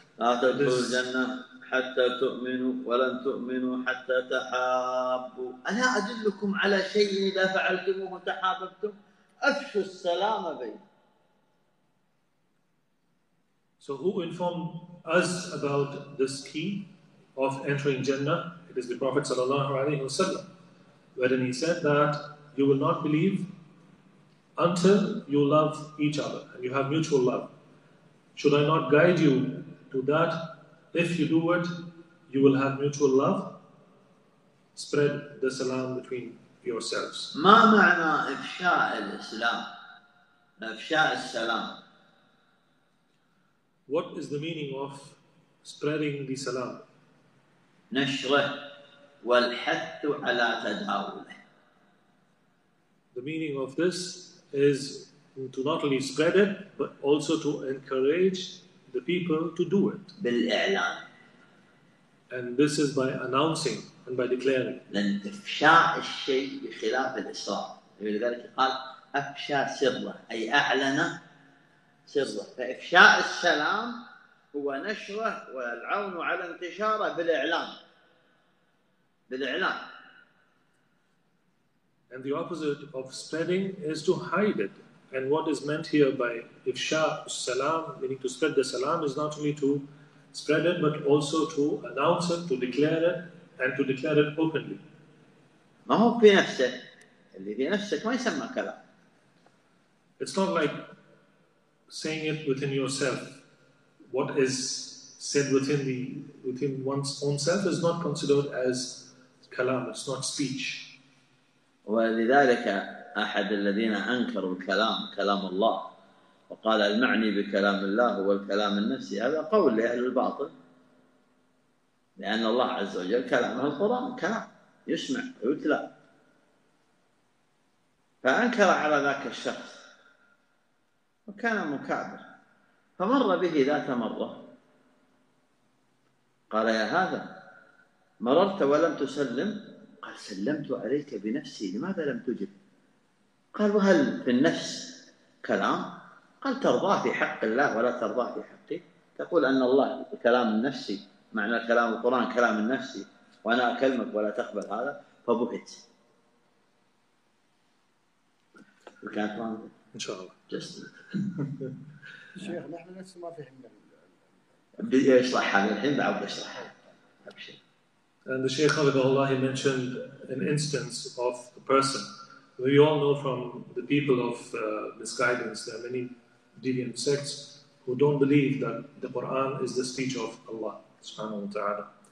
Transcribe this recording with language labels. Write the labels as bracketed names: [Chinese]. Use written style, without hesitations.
[Arabic] لا تدخل الجنة حتى تؤمنوا ولن تؤمنوا حتى تحابوا. ألا أدلكم على شيء إذا فعلتموه وتحاببتم أفشوا السلام بين. [English] So who informed us about this key of entering Jannah? It is the Prophet [Arabic] sallallahu alaihi wasallam, [English] wherein he said that you will not believe until you love each other and you have mutual love. Should I not guide you to that? If you do it, you will have mutual love. Spread the salam between yourselves. [Arabic] ما معنى إفشاء الإسلام؟ إفشاء السلام. [English] What is the meaning of spreading the salam? [Arabic] نشره والحث على تداوله. [English] The meaning of this is to not only spread it, but also to encourage the people to do it. [Arabic] بالإعلان. [English] And this is by announcing and by declaring. [Arabic] لأن إفشاء الشيء بخلاف الإصرار. لذلك قال أفشى سره، أي أعلن سره. فإفشاء السلام هو نشره والعون على انتشاره بالإعلان. بالإعلان. [English] And the opposite of spreading is to hide it. And what is meant here by ifsha salam, meaning to spread the salam, is not only to spread it, but also to announce it, to declare it, and to declare it openly. [Arabic] ما هو في نفسه اللي في نفسك ما يسمى كلام. [English] It's not like saying it within yourself. What is said within one's own self is not considered as kalam. It's not speech. [Arabic] ولذلك أحد الذين أنكروا الكلام كلام الله وقال المعني بكلام الله هو الكلام النفسي، هذا قول لأهل الباطل، لأن الله عز وجل كلامه القرآن، كلام يسمع ويتلى. فأنكر على ذاك الشخص وكان مكابر، فمر به ذات مرة قال يا هذا مررت ولم تسلم؟ قال سلمت عليك بنفسي، لماذا لم تجب؟ قال وهل في النفس كلام؟ قال ترضاه في حق الله ولا ترضاه في حقي؟ تقول أن الله كلام النفسي، معنى كلام القرآن كلام النفسي، وأنا أكلمك ولا تقبل هذا، فبهت. وكانت إن شاء الله. جست. شيخ نحن نفس ما فهمنا. بدي أشرح هذا الحين بعد أشرح. [English] And the Shaykh Allah mentioned an instance of a person. We all know from the people of misguidance, there are many deviant sects who don't believe that the Quran is the speech of Allah subhanahu wa ta'ala.